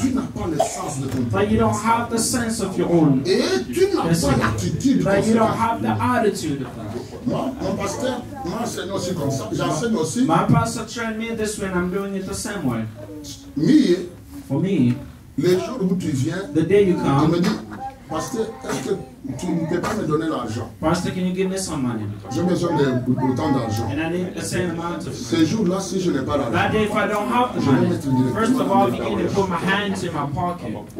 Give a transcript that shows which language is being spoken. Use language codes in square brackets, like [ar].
[fr] Tu n'as pas le sens de ton [en] that you don't have the sense of your own. [fr] Et tu n'as pas l'attitude, [en] that you don't have the attitude of that. My pastor trained me this way, and I'm doing it the same way. Me, for me, [fr] les jours où tu viens, [en] the day you come, [fr] me dit, pastor, est-ce que tu ne peux pas me donner l'argent? [en] Pastor, can you give me some money? [fr] J'ai besoin de autant d'argent. [en] And I need the same amount of money. [fr] Ces jours-là, si je n'ai pas l'argent, [en] that day, if I don't have the money, first of all, I begin to put my hands in my pocket.